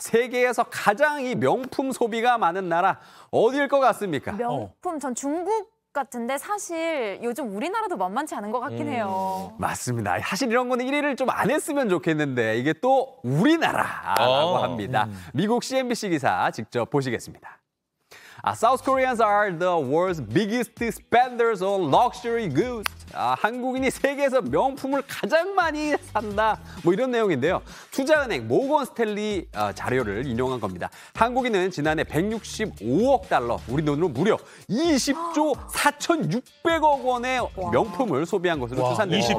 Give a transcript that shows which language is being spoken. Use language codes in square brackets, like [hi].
[ko] 세계에서 가장 이 명품 소비가 많은 나라 어디일 것 같습니까? 명품 전 중국 같은데 사실 요즘 우리나라도 만만치 않은 것 같긴 해요. 맞습니다. 사실 이런 거는 1위를 좀 안 했으면 좋겠는데 이게 또 우리나라라고 합니다. 미국 CNBC 기사 직접 보시겠습니다. [en] South Koreans are the world's biggest spenders of luxury goods. [ko] 한국인이 세계에서 명품을 가장 많이 산다. 뭐 이런 내용인데요. 투자은행 모건스탠리 자료를 인용한 겁니다. 한국인은 지난해 165억 달러, 우리 돈으로 무려 20조 4,600억 원의 명품을 소비한 것으로 추산됩니다.